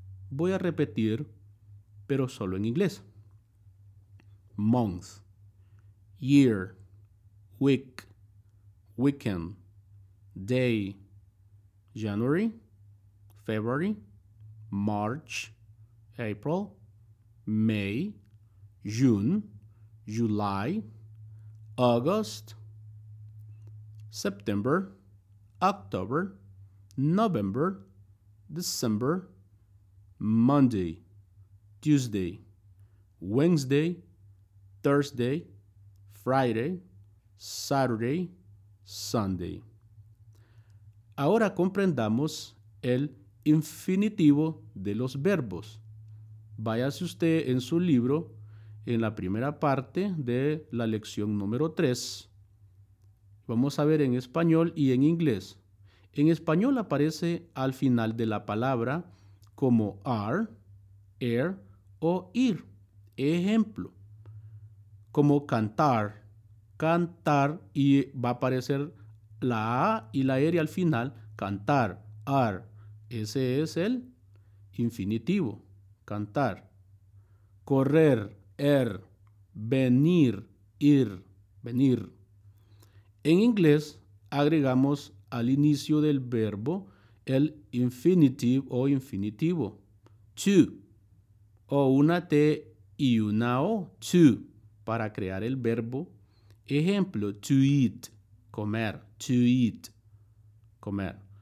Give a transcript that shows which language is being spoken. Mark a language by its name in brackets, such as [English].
[Spanish] Voy a repetir, pero solo en inglés. [English] Month, year, week, weekend, day, January, February, March, April, May, June, July, August, September, October, November, December, Monday, Tuesday, Wednesday, Thursday, Friday, Saturday, Sunday. [Spanish] Ahora comprendamos el infinitivo de los verbos. Váyase usted en su libro, en la primera parte de la lección número 3. Vamos a ver en español y en inglés. En español aparece al final de la palabra como are, air o ir. Ejemplo, como cantar, cantar, y va a aparecer la A y la R al final, cantar, ar. Ese es el infinitivo, cantar. Correr, er, venir, ir, venir. En inglés agregamos al inicio del verbo el infinitive o infinitivo, to, o una T y una O, to, para crear el verbo. Ejemplo, [English] to eat, [Spanish] comer, to eat, comer.